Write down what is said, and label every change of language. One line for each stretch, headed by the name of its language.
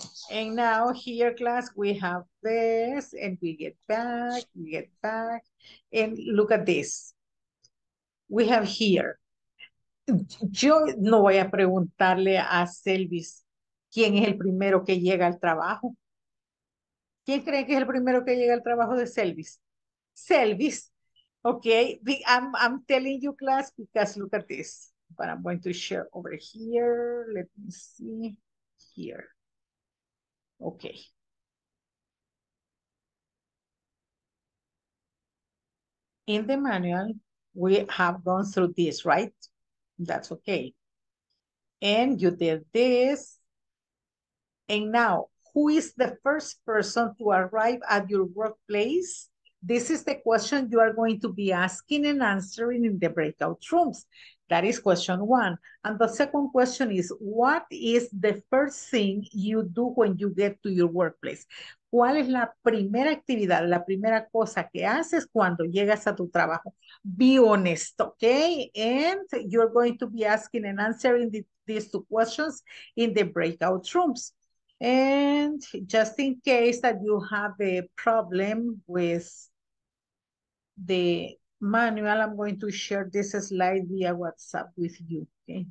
English: And now here, class, we have this, and we get back, and look at this. We have here.
Spanish: Yo no voy a preguntarle a Selvis quién es el primero que llega al trabajo. ¿Quién cree que es el primero que llega al trabajo de Selvis?
English: Selvis, okay. I'm telling you, class, because look at this. But I'm going to share over here. Let me see here. Okay. In the manual, we have gone through this, right? That's okay. And you did this. And now, who is the first person to arrive at your workplace? This is the question you are going to be asking and answering in the breakout rooms. That is question one. And the second question is, what is the first thing you do when you get to your workplace?
Spanish: ¿Cuál es la primera actividad, la primera cosa que haces cuando llegas a tu trabajo?
English: Be honest, okay? And you're going to be asking and answering these two questions in the breakout rooms. And just in case that you have a problem with the manual, I'm going to share this slide via WhatsApp with you, okay?